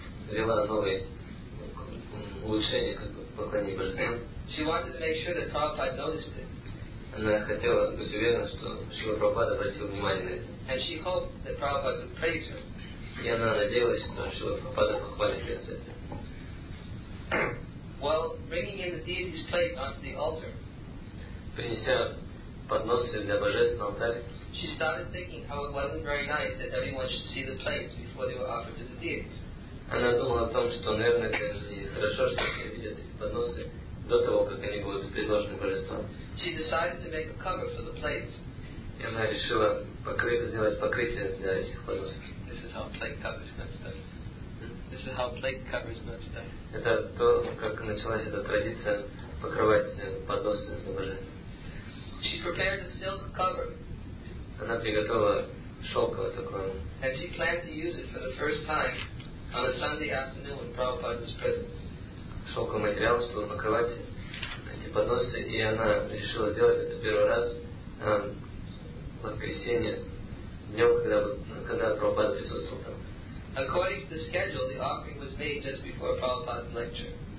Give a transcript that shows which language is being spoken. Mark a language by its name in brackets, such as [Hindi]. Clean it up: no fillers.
[Russian] ввела новые улучшения в поклонении божествам, [English] she wanted to make sure that Prabhupada noticed it. [Russian] Она хотела быть уверена, что Шрила Прабхупада обратил внимание на это. [English] And she hoped that Prabhupada would praise her. [Russian] И она надеялась, что Шрила Прабхупада похвалит ее за это. [English] While bringing in the deity's plate onto the altar, [Russian] принеся подносы для божественного алтаря, [English] she started thinking how it wasn't very nice that everyone should see the plates before they were offered to the deities. [Russian] Она думала о том, что, наверное, это не хорошо, что все видят эти подносы до того, как они будут предложены божествам. [English] She decided to make a cover for the plates. [Russian] И она решила покрыть, сделать покрытие для этих подносов. [English] This is how plate covers that stuff. This is how plate covers that stuff. [Russian] Это то, как началась эта традиция покрывать подносы для божеств. [English] She prepared a silk cover. [Russian] Она приготовила шелковое такое. [English] And she planned to use it for the first time on a Sunday afternoon when Prabhupada was present. [Russian] Шелковый материал, чтобы покрывать эти подносы, и она решила сделать это первый раз в воскресенье, днем, когда Прабхупада присутствовал там. [English] According to the schedule, the offering was made just before Prabhupada's lecture.